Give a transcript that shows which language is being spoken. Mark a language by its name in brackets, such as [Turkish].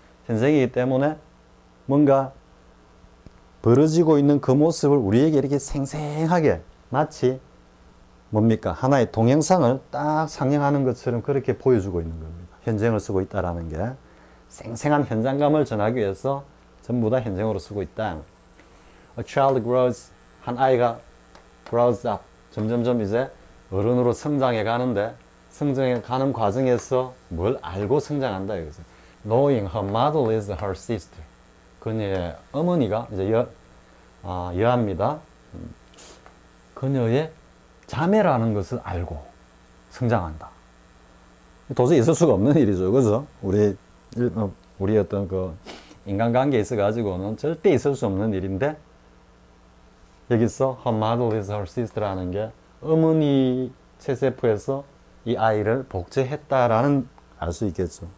[Korean] 현재형이기 때문에 뭔가 벌어지고 있는 그 모습을 우리에게 이렇게 생생하게 마치 뭡니까? 하나의 동영상을 딱 상영하는 것처럼 그렇게 보여주고 있는 겁니다. 현재형을 쓰고 있다라는 게 생생한 현장감을 전하기 위해서 전부 다 현재형으로 쓰고 있다. [English] A child grows, [Korean] 한 아이가 [English] grows up. [Korean] 점점점 이제 어른으로 성장해 가는데 성장해 가는 과정에서 뭘 알고 성장한다 이거죠. [English] Knowing her mother is her sister. [Korean] 그녀의 어머니가 이제 여아입니다. 그녀의 자매라는 것을 알고 성장한다. 도저히 있을 수가 없는 일이죠. 그죠? 우리 어떤 그 인간관계에 있어 가지고는 절대 있을 수 없는 일인데 여기서 [English] her mother is her sister [Korean] 라는 게 어머니 체세포에서 이 아이를 복제했다라는 알수 있겠죠.